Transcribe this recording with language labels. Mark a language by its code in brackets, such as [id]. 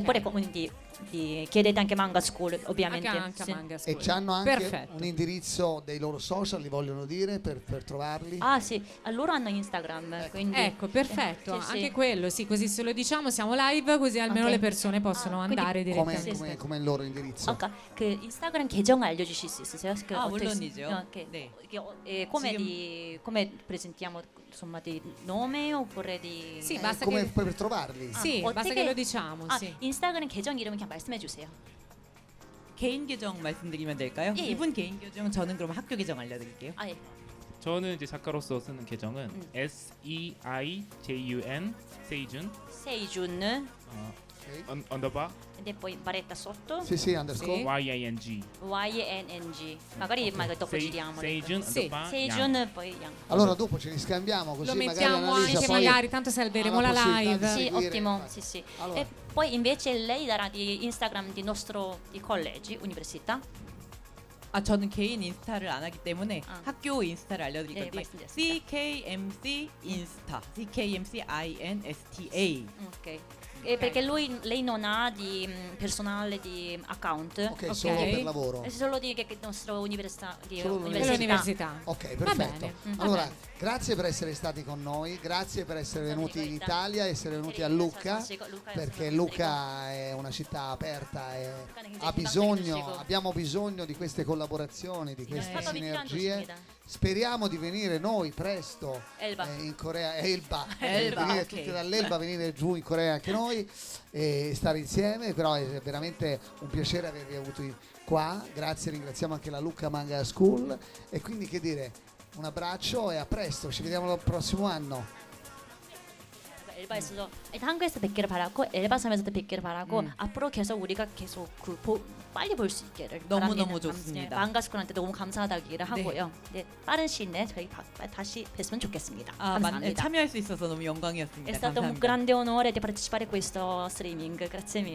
[it] Oppure quindi chiedete anche Manga School, ovviamente. Anche sì. Manga School. E c'hanno anche, perfetto, un indirizzo dei loro social, li vogliono dire, per trovarli? Ah sì, loro hanno Instagram. Ecco, quindi, ecco, perfetto, sì, anche sì, quello, sì, così se lo diciamo siamo live, così almeno, okay, le persone possono andare quindi, direttamente. Come, sì, come il loro indirizzo? Ok, che [ko] Instagram 계정 알려주실 수 있으세요? Ah, 물론이죠. [it] Come di... Come presentiamo, insomma, di nome oppure di... Sì, basta come che... per trovarli. Ah, sì, basta che lo diciamo, ah, sì. [ko] Instagram 계정 이름 그냥 말씀해 주세요. 개인 계정 말씀드리면 될까요? 예, 이분 개인 계정, 저는 그럼 학교 계정 알려드릴게요. 아, 예. 저는 이제 작가로서 쓰는 계정은 S-E-I-J-U-N, 세이준. 세이준. 언더바. 근데 뭐 바레타 소토? 시시 언더스코어. YANG. YANG. 마가리 마가 또 세이준 언더바. [it] 세이준 poi Yang. Allora dopo ce li scambiamo, così lo mettiamo anche magari, tanto salveremo la live. Sì, ottimo. Sì, sì. E poi invece lei darà di Instagram di nostro di collegi, università. [ko] 아, 저는 개인 인스타를 안 하기 때문에 학교 인스타를 알려 드릴 건데. CKMC 인스타. CKMC INSTA. 오케이. Okay. [it] Perché lei non ha di personale di account, okay, okay, solo per lavoro, è solo di che nostra università, di solo l'università. Ok, perfetto. Allora, grazie per essere stati con noi, grazie per essere venuti in Italia, essere venuti a Lucca, perché Lucca è una città aperta e ha bisogno, abbiamo bisogno di queste collaborazioni. collaborazioni, di queste sinergie. Speriamo di venire noi presto in Corea, venire giù in Corea anche noi e stare insieme, però è veramente un piacere avervi avuto qua, grazie, ringraziamo anche la Lucca Manga School e quindi che dire, un abbraccio e a presto, ci vediamo il prossimo anno. [ko] 엘바에서도 한국에서 뵙기를 바라고 엘바섬에서도 뵙기를 바라고 앞으로 계속 우리가 계속 그 빨리 볼 수 있기를 너무 너무 좋습니다. 망가스쿨한테 너무 감사하다고 얘기를 하고요. 네. 네, 빠른 시일 내 저희 다시 뵙으면 좋겠습니다. 아, 감사합니다. 네, 참여할 수 있어서 너무 영광이었습니다. [it] È stato un grande onore di partecipare a questo streaming. Grazie mille.